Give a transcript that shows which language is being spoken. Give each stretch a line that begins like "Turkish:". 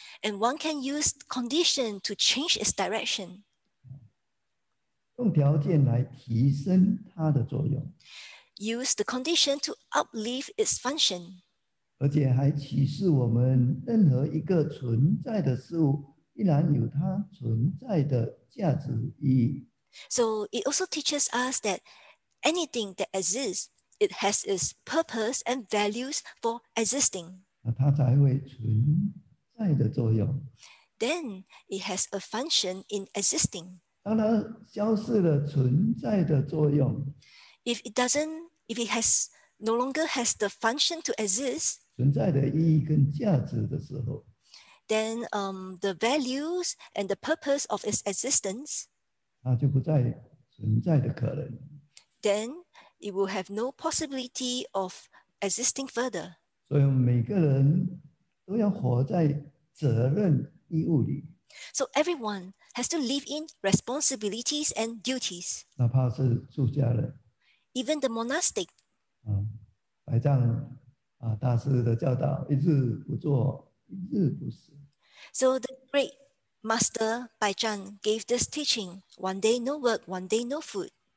English: And one can use condition to change its direction.
Chinese: 用条件来提升它的作用。
English: Use the condition to uplift its function.
Chinese: 而且还启示我们任何一个存在的事物 依然有它存在的价值意义。
English: So it also teaches us that anything that exists, it has its purpose and values for existing.
Chinese: 它才会存在的作用。
English: Then it has a function in existing.
Chinese: 当它消失了存在的作用,
English: If it has no longer has the function to exist,
Chinese: 存在的意义跟价值的时候,
English: then the values and the purpose of its existence,
Chinese: 它就不再存在的可能,
English: then it will have no possibility of existing further.
Chinese: 所以每个人都要活在责任义务里。
English: So everyone has to live in responsibilities and duties.
Chinese: 哪怕是住家人,
English: even the monastic.
Chinese: 白藏大师的教导, 一日不做, 一日不食。
English: So the great master Baizhang gave this teaching, one day no work, one day no food.